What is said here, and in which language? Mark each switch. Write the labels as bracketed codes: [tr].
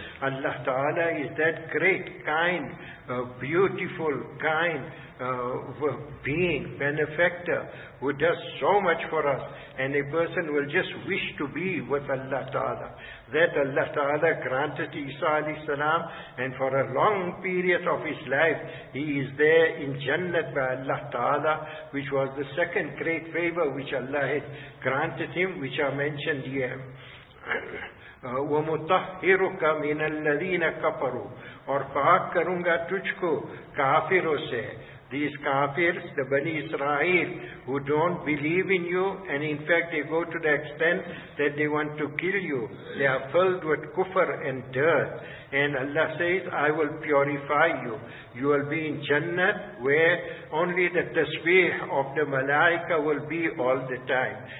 [en] Allah Ta'ala is that great, kind, beautiful, kind, being, benefactor, who does so much for us, and a person will just wish to be with Allah Ta'ala. That Allah Ta'ala granted Isa alayhi salam, and for a long period of his life, he is there in Jannat by Allah Ta'ala, which was the second great favor which Allah had granted him, which are mentioned here. [ar] وَمُطَحِّرُكَ مِنَ الَّذِينَ كَفَرُوا [ur] اور پاک کروں گا تجھ کو کافروں سے. [en] These kafirs, the Bani Israel, who don't believe in you, and in fact they go to the extent that they want to kill you. They are filled with kufr and dirt. And Allah says, I will purify you. You will be in Jannah, where only the tasbih of the malaika will be all the time.